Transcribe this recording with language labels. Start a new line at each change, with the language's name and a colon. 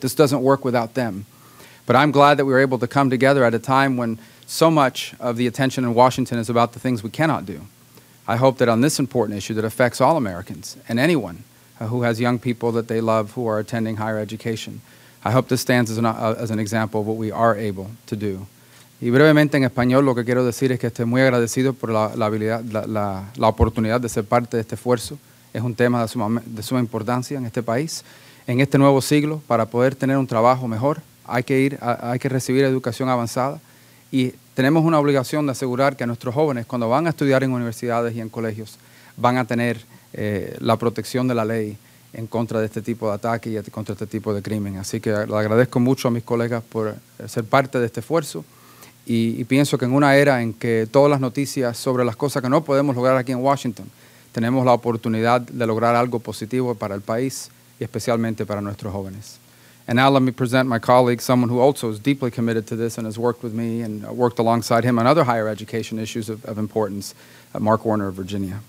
English: This doesn't work without them. But I'm glad that we were able to come together at a time when so much of the attention in Washington is about the things we cannot do. I hope that on this important issue that affects all Americans and anyone who has young people that they love who are attending higher education, I hope this stands as an example of what we are able to do.
Spanish: Y brevemente en español lo que quiero decir es que estoy muy agradecido por la oportunidad de ser parte de este esfuerzo. Es un tema de suma importancia en este país. En este nuevo siglo, para poder tener un trabajo mejor, hay que recibir educación avanzada. Y tenemos una obligación de asegurar que nuestros jóvenes, cuando van a estudiar en universidades y en colegios, van a tener la protección de la ley en contra de este tipo de ataque y contra este tipo de crimen. Así que le agradezco mucho a mis colegas por ser parte de este esfuerzo. Y pienso que en una era en que todas las noticias sobre las cosas que no podemos lograr aquí en Washington, tenemos la oportunidad de lograr algo positivo para el país y especialmente para nuestros jóvenes.
English: And now let me present my colleague, someone who also is deeply committed to this and has worked with me and worked alongside him on other higher education issues of importance, Mark Warner of Virginia.